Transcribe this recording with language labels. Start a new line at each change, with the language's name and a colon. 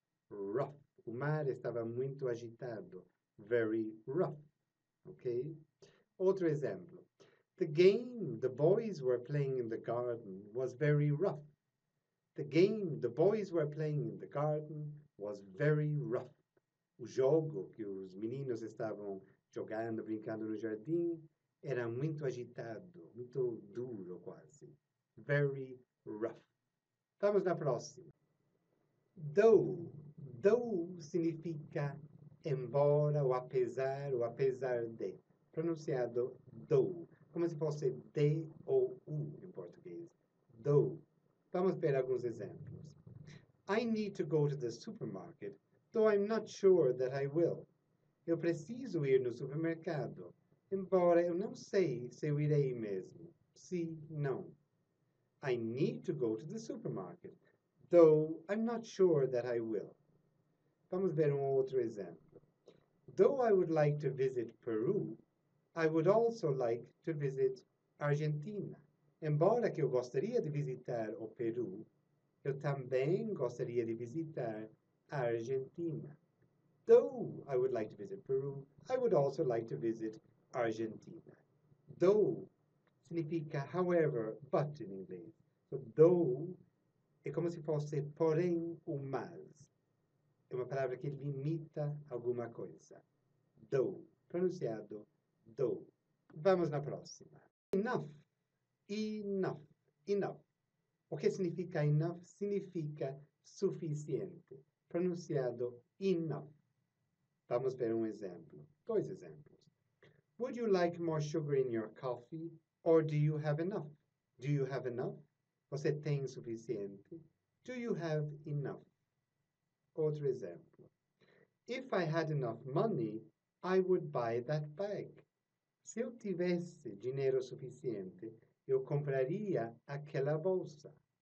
Portuguese: Rough. O mar estava muito agitado.
English: Very rough.
Portuguese: Ok? Outro exemplo.
English: The game the boys were playing in the garden was very rough. The game the boys were playing in the garden was very rough.
Portuguese: O jogo que os meninos estavam jogando, brincando no jardim, era muito agitado, muito duro quase.
English: Very rough.
Portuguese: Vamos na próxima. Though significa embora ou apesar de. Pronunciado though. Como se fosse de ou u em português. Though. Vamos ver alguns exemplos.
English: I need to go to the supermarket, though I'm not sure that I will.
Portuguese: Eu preciso ir no supermercado, embora eu não sei se eu irei mesmo. Se não.
English: I need to go to the supermarket, though I'm not sure that I will.
Portuguese: Vamos ver outro exemplo.
English: Though I would like to visit Peru, I would also like to visit Argentina.
Portuguese: Embora que eu gostaria de visitar o Peru, eu também gostaria de visitar Argentina.
English: Though I would like to visit Peru, I would also like to visit Argentina. Though significa however, but in English.
Portuguese: So, though é como se fosse porém ou mas. É uma palavra que limita alguma coisa. Though, pronunciado though. Vamos na próxima. Enough. Enough. Enough. O que significa enough? Significa suficiente. Pronunciado enough. Vamos ver exemplo. Dois exemplos.
English: Would you like more sugar in your coffee? Or do you have enough? Do you have enough?
Portuguese: Você tem suficiente?
English: Do you have enough?
Portuguese: Outro exemplo.
English: If I had enough money, I would buy that bag.
Portuguese: Se eu tivesse dinheiro suficiente, eu compraria aquela bolsa.